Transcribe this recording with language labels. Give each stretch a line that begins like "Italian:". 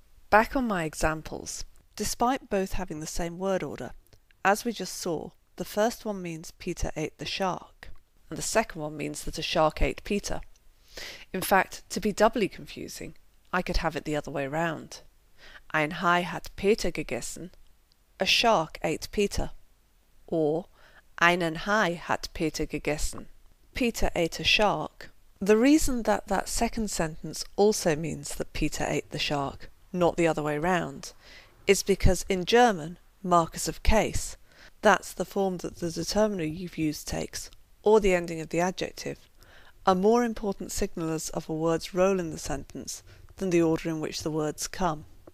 English: Back on my examples, despite both having the same word order, as we just saw, the first one means Peter ate the shark, and the second one means that a shark ate Peter. In fact, to be doubly confusing, I could have it the other way round.
German: Ein Hai hat Peter gegessen,
English: a shark ate Peter.
German: Or, einen Hai hat Peter gegessen,
English: Peter ate a shark. The reason that that second sentence also means that Peter ate the shark, not the other way round, is because in German, markers of case, that's the form that the determiner you've used takes, or the ending of the adjective, are more important signalers of a word's role in the sentence than the order in which the words come.